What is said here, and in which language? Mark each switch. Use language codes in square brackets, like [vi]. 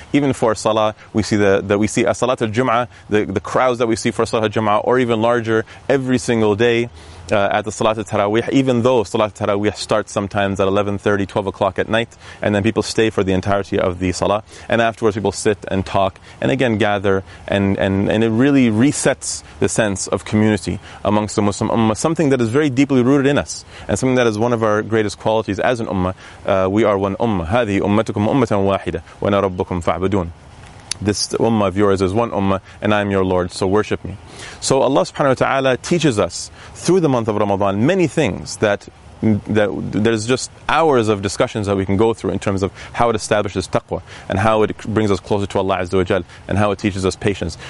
[en] Even for salah, we see that we see a salat al-jum'ah, the crowds that we see for salat al-jum'ah, or even larger every single day at the salat al-taraweeh, even though salat al-taraweeh starts sometimes at 11:30, 12 o'clock at night, and then people stay for the entirety of the salah, and afterwards people sit and talk, and again gather, and it really resets the sense of community amongst the Muslim ummah, something that is very deeply rooted in us, and something that is one of our greatest qualities as an ummah. We are one ummah. [ar] هذه أمتكم أمة واحدة وأنا ربكم فاعبدون. [en] This ummah of yours is one ummah, and I am your Lord, so worship me. So Allah subhanahu wa ta'ala teaches us through the month of Ramadan many things that there's just hours of discussions that we can go through in terms of how it establishes taqwa and how it brings us closer to Allah azza wa jal and how it teaches us patience.